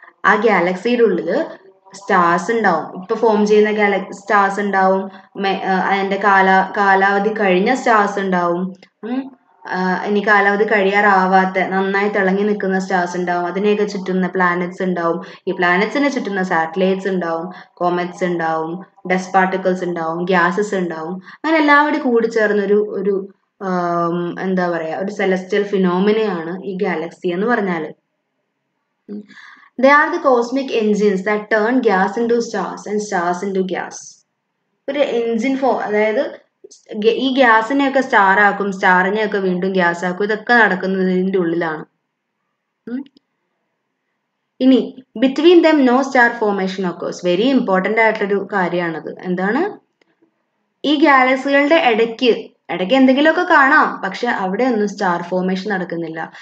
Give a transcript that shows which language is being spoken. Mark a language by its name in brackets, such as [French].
[Malayalam] ആ ഗാലക്സിയുടെ ഉള്ളില് സ്റ്റാർസ് ഉണ്ടാവും, ഇപ്പൊ ഫോം ചെയ്യുന്ന സ്റ്റാർസ് ഉണ്ടാവും, അതിന്റെ കാലാവധി കഴിഞ്ഞ സ്റ്റാർസ് ഉണ്ടാവും, ഇനി കാലാവധി കഴിയാറാവാത്ത നന്നായി തിളങ്ങി നിൽക്കുന്ന സ്റ്റാർസ് ഉണ്ടാവും, അതിനെയൊക്കെ ചുറ്റുന്ന പ്ലാനറ്റ്സ് ഉണ്ടാവും, ഈ പ്ലാനറ്റ്സിനെ ചുറ്റുന്ന സാറ്റലൈറ്റ്സ് ഉണ്ടാവും, കോമറ്റ്സ് ഉണ്ടാവും, ഡസ്റ്റ് പാർട്ടിക്കിൾസ് ഉണ്ടാവും, ഗ്യാസസ് ഉണ്ടാവും, അങ്ങനെ എല്ലാവരും കൂടി ചേർന്നൊരു ഒരു എന്താ പറയാ ഒരു സെലസ്റ്റ്യൽ ഫിനോമിനയാണ് ഈ ഗാലക്സി എന്ന് പറഞ്ഞാല്. [English] They are the cosmic engines that turn gas into stars and stars into gas. [Malayalam] ഒരു എൻജിൻ ഫോ, അതായത് ഈ ഗ്യാസിനെയൊക്കെ സ്റ്റാറാക്കും, സ്റ്റാറിനെയൊക്കെ വീണ്ടും ഗ്യാസ് ആക്കും, ഇതൊക്കെ നടക്കുന്നതിൻ്റെ ഉള്ളിലാണ്. [English] ഇനി between them no star formation occurs. Very important [Malayalam] ആയിട്ടുള്ളൊരു കാര്യമാണത്. എന്താണ്, ഈ ഗാലക്സികളുടെ ഇടയ്ക്ക് എന്തെങ്കിലുമൊക്കെ കാണാം, പക്ഷെ അവിടെ ഒന്നും സ്റ്റാർ ഫോർമേഷൻ നടക്കുന്നില്ല.